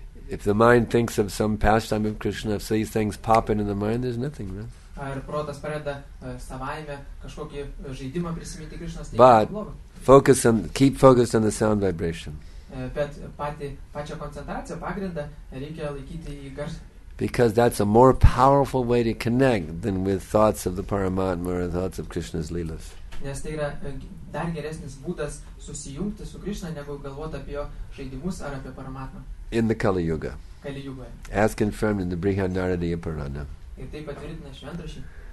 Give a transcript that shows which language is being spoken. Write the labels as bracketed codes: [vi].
[en] If the mind thinks of some pastime of Krishna, if these things pop into the mind, there's nothing wrong. But keep focused on the sound vibration. [lt] Bet pačią koncentraciją pagrindą reikia laikyti į garsą. [en] Because that's a more powerful way to connect than with thoughts of the Paramatma or thoughts of Krishna's lilas. [lt] Nes tai yra dar geresnis būdas susijungti su Krishna negu galvoti apie jo žaidimus ar apie Paramatmą. [en] In the Kali Yuga. Kali Yuga. As confirmed in the Brihadaranyaka Purana. [lt] Ir tai patvirtina šventraščiai.